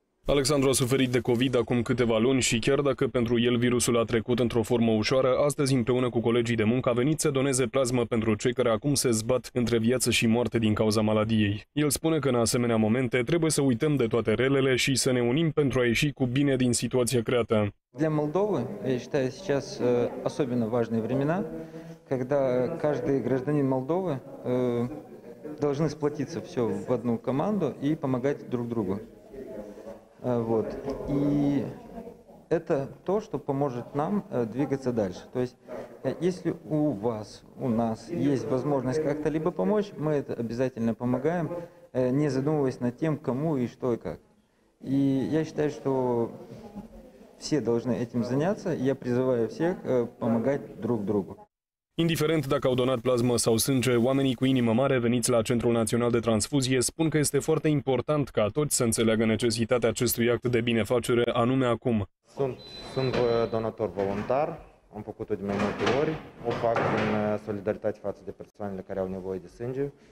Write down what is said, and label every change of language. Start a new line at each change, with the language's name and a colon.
Romanian: Alexandru a suferit de COVID acum câteva luni și chiar dacă pentru el virusul a trecut într-o formă ușoară, astăzi împreună cu colegii de muncă a venit să doneze plasmă pentru cei care acum se zbat între viață și moarte din cauza maladiei. El spune că în asemenea momente trebuie să uităm de toate relele și să ne unim pentru a ieși cu bine din situația creată.
Russian: Для Молдовы, я считаю, сейчас особенно важные времена, когда каждый гражданин Молдовы должны сплотиться все в одну команду и помогать друг другу. Вот. И это то, что поможет нам двигаться дальше. То есть, если у вас, у нас есть возможность как-то либо помочь, мы это обязательно помогаем, не задумываясь над тем, кому и что и как. И я считаю, что все должны этим заняться. Я призываю всех помогать друг другу.
Romanian: Indiferent dacă au donat plasmă sau sânge, oamenii cu inimă mare veniți la Centrul Național de Transfuzie spun că este foarte important ca toți să înțeleagă necesitatea acestui act de binefacere, anume acum. Sunt donator voluntar, am făcut-o de mai multe ori, o fac în solidaritate față de persoanele care au nevoie de sânge.